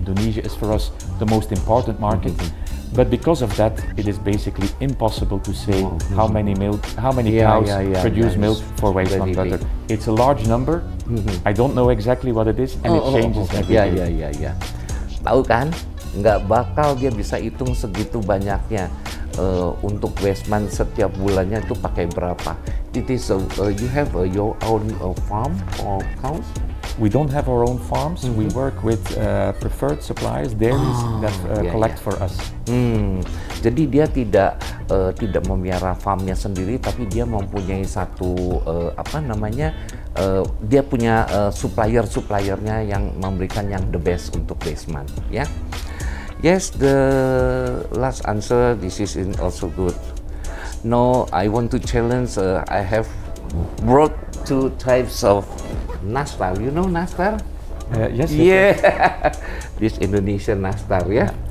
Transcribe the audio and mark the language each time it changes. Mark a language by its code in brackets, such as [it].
[en] Indonesia is for us the most important market. Mm-hmm. But because of that, it is basically impossible to say how many cows produce milk for waste not butter. It's a large number. Mm-hmm. I don't know exactly what it is, and it changes every day. Yeah. [id] Tahu kan? Nggak bakal dia bisa hitung segitu banyaknya. Untuk Westman setiap bulannya itu pakai berapa? [en] It is a, you have a, your own farm or cows? We don't have our own farms. Mm-hmm. We work with preferred suppliers, dairies that collect for us. [id] Jadi dia tidak memiara farmnya sendiri, tapi dia mempunyai suppliernya yang memberikan yang [en] the best [id] untuk Westman, ya? [en] Yeah? Yes, the last answer, this is also good. No, I want to challenge, I have brought two types of nastar. You know nastar? Yes. Yeah, this Indonesian nastar, yeah?